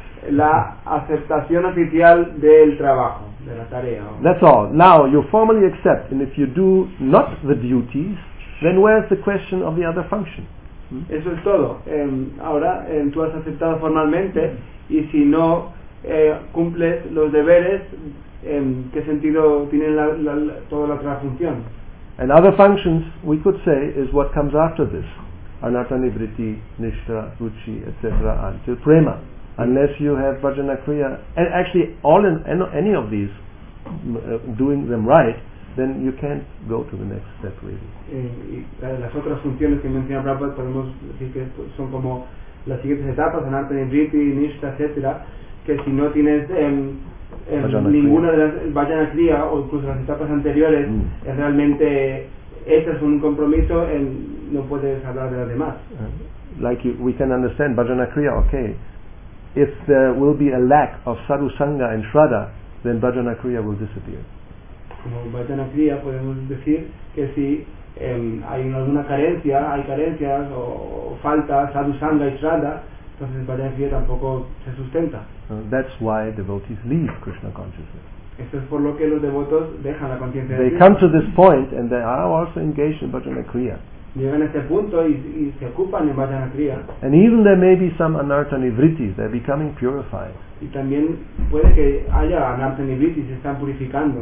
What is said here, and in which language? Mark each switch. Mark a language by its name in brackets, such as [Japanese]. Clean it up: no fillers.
[Spanish] La aceptación oficial del trabajo, de la tarea. [English] That's all. Now you formally accept, and if you do not the duties, then where's the question of the other function? [Spanish] Eso es todo. Ahora tú has aceptado formalmente, y si no cumples los deberes, ¿qué sentido tiene toda la otra función? [English] And other functions, we could say, is what comes after this. Anatta Nivritti, Nishtha, Ruchi, etc. until Prema. Unless you have Bhajana Kriya, and actually all in any of these, doing them right, then you can't go to the next step really. [Spanish] Las otras funciones que menciona Prabhupada podemos decir que son como las siguientes etapas, Anatta Nivritti, Nishtha, etc. Que si no tienes ninguna de las Bhajana Kriya o incluso las etapas anteriores, realmente ese es un compromiso, no puedes hablar de las demás. [English] Like we can understand Bhajana Kriya, okay. If there will be a lack of sadhu sangha and shraddha, then Bhajana Kriya will disappear. [Spanish] Como Bhajana Kriya podemos decir que si hay alguna carencia, hay carencias o falta sadhu sangha y shraddha, entonces Bhajana Kriya tampoco se sustenta. [English] That's why devotees leave Krishna consciousness. [Spanish] Esto es por lo que los devotos dejan la conciencia. [English] They come to this point and they are also engaged in Bhajana Kriya. [Spanish] Llegan a este punto y se ocupan en Bhajana Kriya. [English] And even there may be some anartha nivrittis, they're becoming purified. [Spanish] Y también puede que haya anartha nivrittis, se están purificando.